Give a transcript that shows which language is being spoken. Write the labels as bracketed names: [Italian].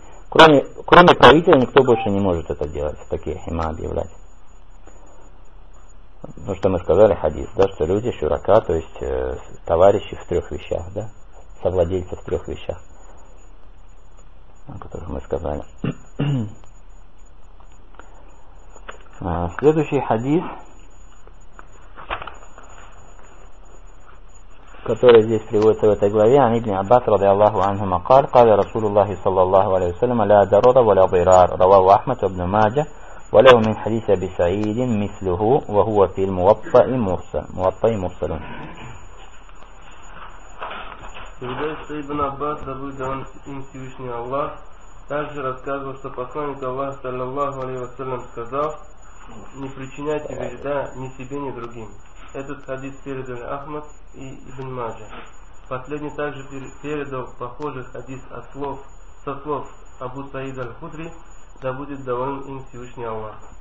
[Russian] Кроме правителя, никто больше не может это делать, такие хима объявлять. Ну, что мы сказали, хадис, да, что люди, шурака, то есть товарищи в трех вещах, да, совладельцы в трех вещах, о которых мы сказали. Следующий хадис, которые здесь приводятся в этой главе, [Arabic] ан ибн Аббас ради Аллаху анхума قال قال رسول الله صلى الله عليه وسلم لا ضرر ولا ضرار رواه احمد بن ماجه وله من حديث ابي سعيد مثله وهو في الموطا مرسل موطا مرسل ابن [Russian] Аббас رضي الله عنه также рассказывал, что посланник Аллаха صلى الله عليه وسلم сказал: не причиняйте вреда ни себе, ни другим. Этот хадис передали Ахмад и Ибн Маджа. Последний также передал похожий хадис от слов, со слов Абу Саид Аль-Худри, да будет доволен им Всевышний Аллах.